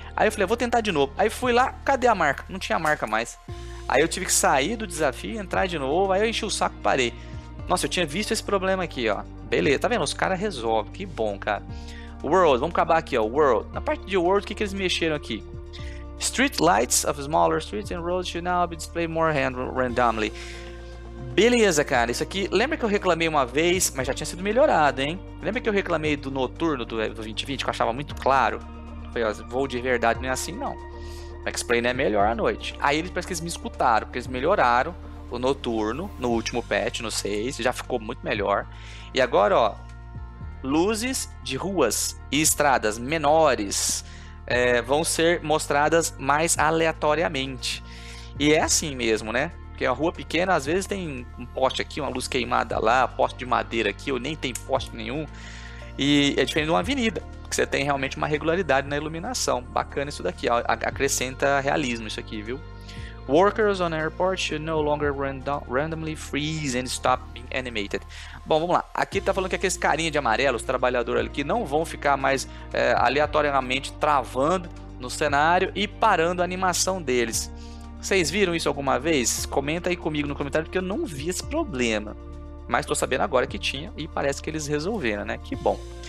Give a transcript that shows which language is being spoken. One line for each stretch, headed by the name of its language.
Portuguese: Aí eu falei, vou tentar de novo. Aí fui lá, cadê a marca? Não tinha marca mais. Aí eu tive que sair do desafio, entrar de novo. Aí eu enchi o saco e parei. Nossa, eu tinha visto esse problema aqui, ó. Beleza, tá vendo? Os caras resolvem, que bom, cara. World, vamos acabar aqui, ó. World. Na parte de World, o que eles mexeram aqui?
English: Street lights of smaller streets and roads should now be displayed more randomly.
Portuguese: Beleza, cara. Isso aqui, lembra que eu reclamei uma vez, mas já tinha sido melhorado, hein? Lembra que eu reclamei do noturno do 2020, que eu achava muito claro? Falei, ó, voo de verdade não é assim, não. X-Plane é melhor à noite. Aí eles parece que eles me escutaram, porque eles melhoraram o noturno no último patch, no 6, já ficou muito melhor. E agora, ó, luzes de ruas e estradas menores vão ser mostradas mais aleatoriamente. E é assim mesmo, né? Porque a rua pequena, às vezes tem um poste aqui, uma luz queimada lá, poste de madeira aqui, ou nem tem poste nenhum. E é diferente de uma avenida, que você tem realmente uma regularidade na iluminação. Bacana isso daqui, ó, acrescenta realismo isso aqui, viu?
English: Workers on airport should no longer randomly freeze and stop being animated.
Portuguese: Bom, vamos lá. Aqui tá falando que aqueles carinha de amarelo, os trabalhadores ali, que não vão ficar mais aleatoriamente travando no cenário e parando a animação deles. Vocês viram isso alguma vez? Comenta aí comigo no comentário, porque eu não vi esse problema. Mas tô sabendo agora que tinha e parece que eles resolveram, né? Que bom.